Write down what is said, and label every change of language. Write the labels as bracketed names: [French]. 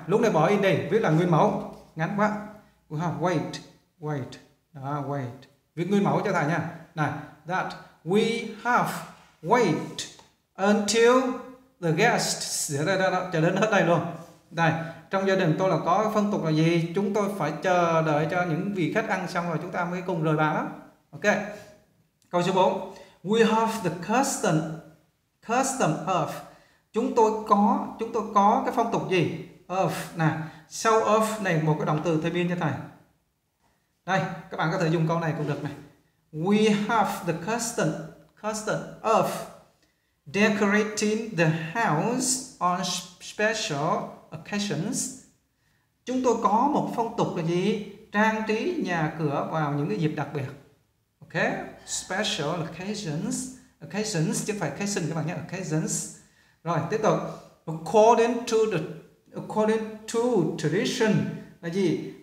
[Vietnamese] Lúc này bỏ in đi, viết là nguyên mẫu. Ngắn quá. [English] We have wait. [Vietnamese] Đó, wait. Viết nguyên mẫu cho thầy nha. [English] Này, that we have wait until the guests. [Vietnamese] Đó, chờ đến hết đây luôn. Đây, trong gia đình tôi là có phong tục là gì? Chúng tôi phải chờ đợi cho những vị khách ăn xong rồi chúng ta mới cùng rời bàn. Ok. Câu số 4. [English] We have the custom of. [Vietnamese] Chúng tôi có cái phong tục gì? Of. Nè, sau of này một cái động từ thay biên cho thầy. Đây, các bạn có thể dùng câu này cũng được này. [English] We have the custom of decorating the house on special occasions. [Vietnamese] Chúng tôi có một phong tục là gì? Trang trí nhà cửa vào những cái dịp đặc biệt. Ok, special occasions. Occasions chứ phải occasion các bạn nhé, occasions. Rồi, tiếp tục. [English] According to tradition [Vietnamese] là gì?